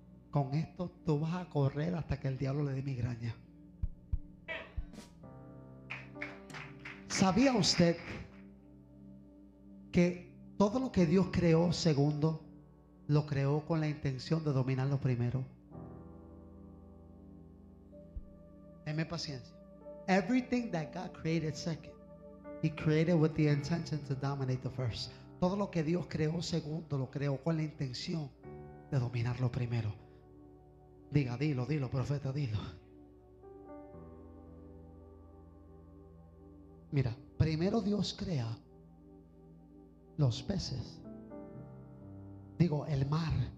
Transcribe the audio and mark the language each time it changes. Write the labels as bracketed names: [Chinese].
[Spanish] Con esto tú vas a correr hasta que el diablo le dé migraña. ¿Sabía usted que todo lo que Dios creó segundo lo creó con la intención de dominarlo primero? Tenme paciencia. [English] Everything that God created second, He created with the intention to dominate the first. [Spanish] Todo lo que Dios creó segundo lo creó con la intención de dominarlo primero. Diga, dilo, profeta, dilo. Mira, primero Dios crea los peces. Digo, el mar.